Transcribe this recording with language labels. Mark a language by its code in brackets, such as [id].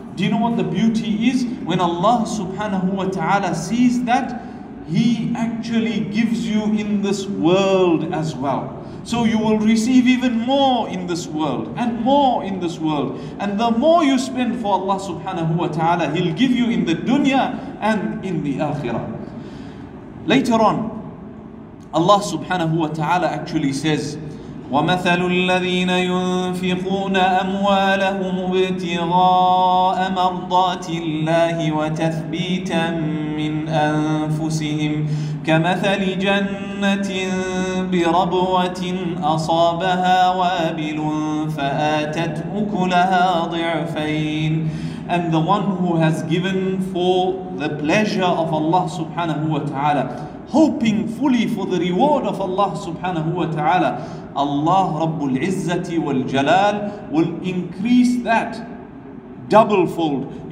[en] Do you know what the beauty is? When Allah subhanahu wa ta'ala sees that, He actually gives you in this world as well. So you will receive even more in this world, and more in this world. And the more you spend for Allah subhanahu wa ta'ala, He'll give you in the dunya and in the akhirah. Later on, Allah subhanahu wa ta'ala actually says, [ar] وَمَثَلُ الَّذِينَ يُنْفِقُونَ أَمْوَالَهُمُ ابْتِغَاءَ مَرْضَاتِ اللَّهِ وَتَثْبِيتًا مِّنْ أَنفُسِهِمْ كَمَثَلِ جَنَّةٍ بِرَبْوَةٍ أَصَابَهَا وَابِلٌ فَآتَتْ أُكُلَهَا ضِعْفَيْنِ. [en] And the one who has given for the pleasure of Allah subhanahu wa ta'ala, hoping fully for the reward of Allah subhanahu wa ta'ala, Allah Rabbul Izzati wal Jalal will increase that double fold.